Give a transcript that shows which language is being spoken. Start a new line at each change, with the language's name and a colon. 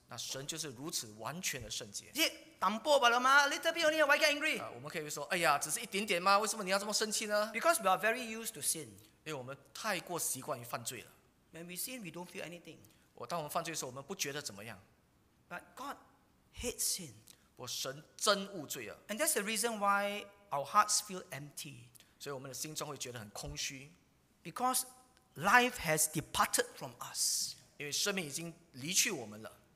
Chinese: 那神就是如此完全的圣洁。淡薄罢了吗?
English: A little bit only, why get angry?
Chinese: 我们可以说, 哎呀, 只是一点点吗?为什么你要这么生气呢?
English: Because we are very used to sin.
Chinese: 因为我们太过习惯于犯罪了。
English: When we sin, we don't feel anything.
Chinese: 当我们犯罪的时候, 我们不觉得怎么样。
English: But God hates sin.
Chinese: 不过神真恶罪啊。
English: And that's the reason why our hearts feel empty.
Chinese: 所以我们的心中会觉得很空虚。
English: Because life has departed from us.
Chinese: 因为生命已经离去我们了。